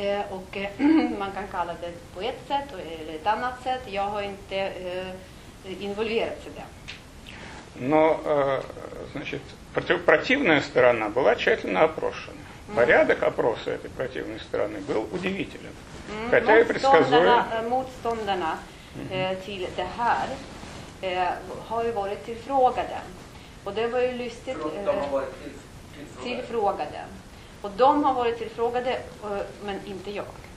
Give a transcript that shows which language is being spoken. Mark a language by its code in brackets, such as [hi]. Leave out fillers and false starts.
[sv] Och man kan kalla det på ett sätt eller ett annat sätt. Jag har inte involverats i det. [ru] Но, значит, противная сторона была тщательно опрошена. Порядок опроса этой противной стороны был удивителен. Хотя и предсказуем. [sv] Motståndarna till det här har ju varit tillfrågade. Och det var ju lustigt. De har varit tillfrågade. Och de har varit tillfrågade, men inte jag.